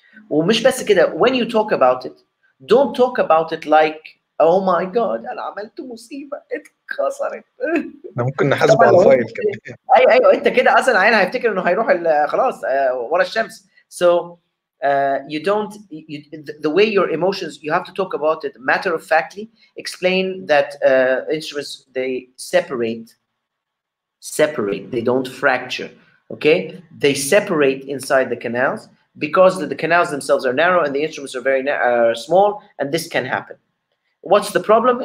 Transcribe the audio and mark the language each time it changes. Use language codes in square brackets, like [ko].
[ar] ومش بس كده، [en] when you talk about it don't talk about it like oh my god [ar] انا عملت مصيبه اتكسرت. ممكن نحاسبه على فايل كده. ايوه ايوه، انت كده اصلا عيان هيفتكر انه هيروح خلاص ورا الشمس. [en] So you the way your emotions you have to talk about it matter of factly, explain that instruments they separate they don't fracture. Okay, they separate inside the canals because the canals themselves are narrow and the instruments are very small, and this can happen. What's the problem?